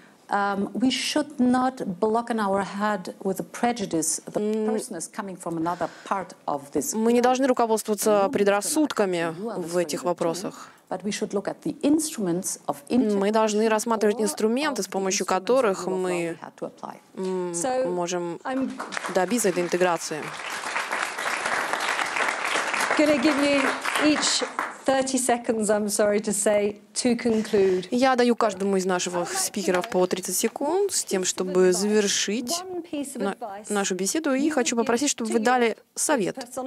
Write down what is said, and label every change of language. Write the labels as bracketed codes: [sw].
[en] We should not block in our head with the prejudice the person is coming from another part of this. [ru] Мы не должны руководствоваться предрассудками в этих вопросах. [en] But we should look at the instruments of [ru] мы должны рассматривать инструменты, с помощью которых мы можем добиться этой интеграции. [en] Can I give you each 30 seconds, I'm sorry to say, to conclude. [ru] Я даю каждому из наших спикеров по 30 секунд с тем, чтобы завершить нашу беседу. И хочу попросить, чтобы вы дали совет.